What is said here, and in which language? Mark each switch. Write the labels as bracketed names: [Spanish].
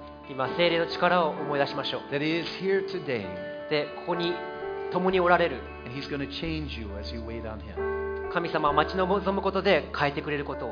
[Japanese] 今聖霊の力を思い出しましょう。 [English] That He is here today. [Japanese] でここに共におられる。 [English] And He's going to change you as you wait on Him. [Japanese] 神様を待ち望むことで変えてくれることを。